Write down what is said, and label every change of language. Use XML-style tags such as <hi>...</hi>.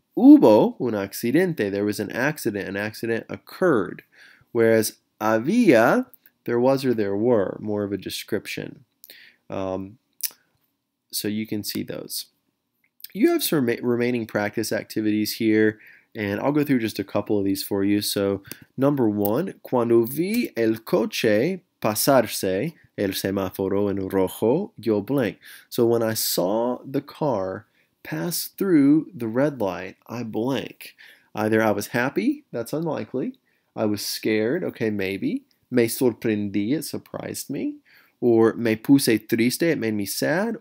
<es>hubo un accidente.</es> <en>There was an accident. An accident occurred. Whereas había, there was or there were. More of a description. So you can see those. You have some remaining practice activities here, and I'll go through just a couple of these for you. So number one,</en> <es>cuando vi el coche pasarse el semáforo en rojo, yo blank.</es> <en>So when I saw the car pass through the red light, I blank. Either I was happy, that's unlikely. I was scared, okay, maybe.</en> <es>Me sorprendí,</es> <en>it surprised me. Or</en> <es>me puse triste,</es> <en>it made me sad.</en>